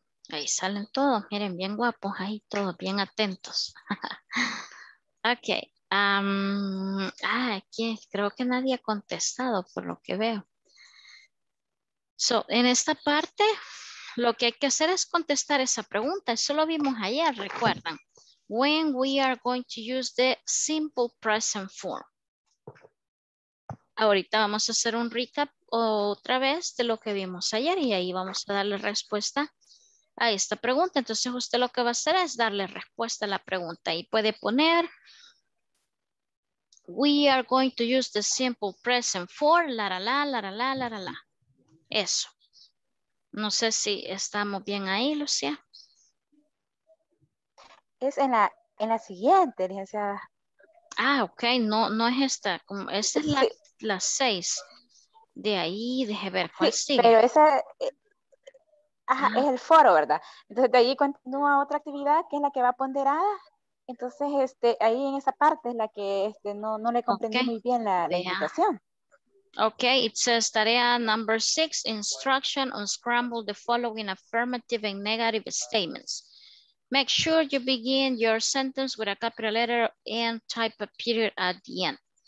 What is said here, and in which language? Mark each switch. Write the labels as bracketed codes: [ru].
[es] Ahí salen todos, miren, bien guapos ahí todos, bien atentos. Ok. Aquí creo que nadie ha contestado por lo que veo. So, en esta parte, lo que hay que hacer es contestar esa pregunta. Eso lo vimos ayer, recuerdan. [en] When we are going to use the simple present form. [es] Ahorita vamos a hacer un recap otra vez de lo que vimos ayer y ahí vamos a darle respuesta a esta pregunta. Entonces usted lo que va a hacer es darle respuesta a la pregunta y puede poner [en] we are going to use the simple present for la la [es] la la la la la la. Eso. No sé si estamos bien ahí, Lucía. Es en la siguiente, licenciada. Ah, ok. No es esta. Como esta es la 6. De ahí, deje ver cuál sigue. Pero esa es el foro, ¿verdad? Entonces de ahí continúa otra actividad que es la que va ponderada. Entonces, ahí en esa parte es la que no le comprendí okay. Muy bien la invitación. [en] Ok, it says tarea number 6, instruction on scramble the following affirmative and negative statements. Make sure you begin your sentence with a capital letter and type a period at the end.